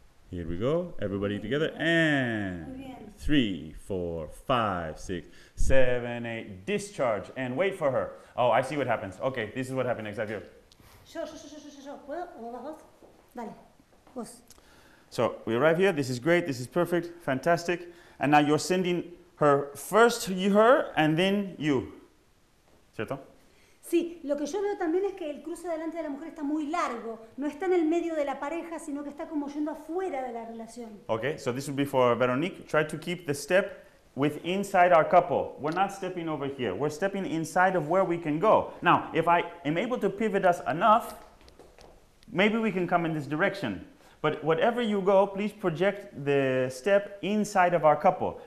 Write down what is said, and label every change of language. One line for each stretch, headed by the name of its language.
English: Here we go. Everybody together. And 3, 4, 5, 6, 7, 8. Discharge. And wait for her. Oh, I see what happens. Okay, this is what happened, Xavier.
Spanish: Yo. ¿Puedo? ¿Vos? Dale. Vos.
English: So we arrive here. This is great. This is perfect. Fantastic. And now you're sending her first you, her, and then you.
Spanish: ¿Cierto? Sí. Lo que yo veo también es que el cruce delante de la mujer está muy largo. No está en el medio de la pareja, sino que está como yendo afuera de la relación.
English: Okay. So this would be for Veronique. Try to keep the step with inside our couple. We're not stepping over here. We're stepping inside of where we can go. Now, if I am able to pivot us enough, maybe we can come in this direction. But whatever you go, please project the step inside of our couple.